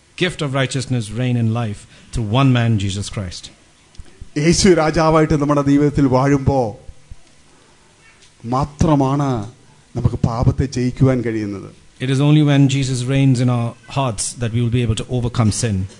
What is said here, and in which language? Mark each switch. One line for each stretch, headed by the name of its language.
English: gift of righteousness, reign in life through one man, Jesus Christ.
Malayalam: യേശു രാജാവായിട്ട് നമ്മുടെ ജീവിതത്തിൽ വാഴുമ്പോൾ മാത്രമാണ് നമുക്ക് പാപത്തെ ജയിക്കുവാൻ കഴിയുന്നത്.
English: It is only when Jesus reigns in our hearts that we will be able to overcome sin.